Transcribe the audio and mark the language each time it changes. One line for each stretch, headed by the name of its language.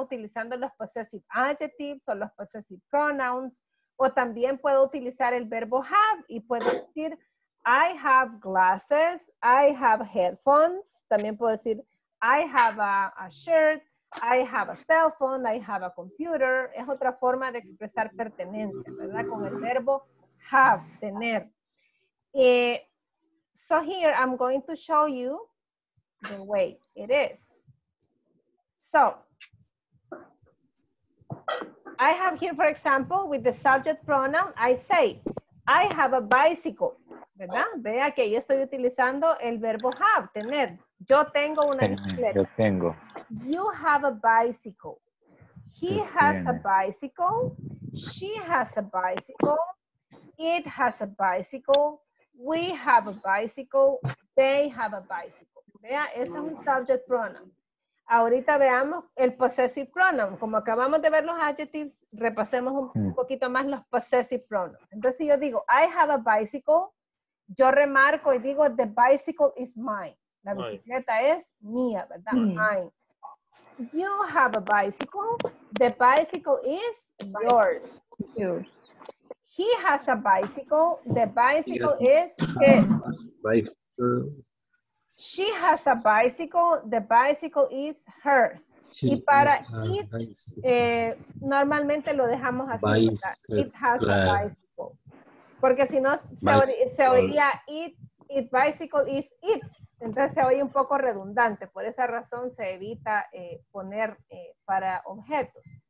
Spanish: Utilizando los possessive adjectives o los possessive pronouns, o también puedo utilizar el verbo have y puedo decir
English: I have glasses, I have headphones,
Spanish: también puedo decir
English: I have a shirt, I have a cell phone, I have a computer,
Spanish: es otra forma de expresar pertenencia, ¿verdad? Con el verbo have, tener.
English: So here I'm going to show you the way it is. So, I have here, for example, with the subject pronoun, I say, I have a bicycle,
Spanish: ¿verdad? Vea que yo estoy utilizando el verbo have, tener. Yo tengo una bicicleta. Yo tengo.
English: You have a bicycle. He has a bicycle. She has a bicycle. It has a bicycle. We have a bicycle. They have a bicycle.
Spanish: Vea, ese es un subject pronoun. Ahorita veamos el possessive pronoun. Como acabamos de ver los adjectives, repasemos un poquito más los possessive pronouns. Entonces, si yo digo,
English: I have a bicycle,
Spanish: yo remarco y digo,
English: the bicycle is mine.
Spanish: La bicicleta es mía, ¿verdad? Mine.
English: You have a bicycle, the bicycle is yours. He has a bicycle, the bicycle is his. She has a bicycle, the bicycle is hers.
Spanish: She y para it, normalmente lo dejamos así.
English: It has a bicycle.
Spanish: Porque si no, se oiría it bicycle is it. Entonces se oye un poco redundante. Por esa razón se evita poner para objetos.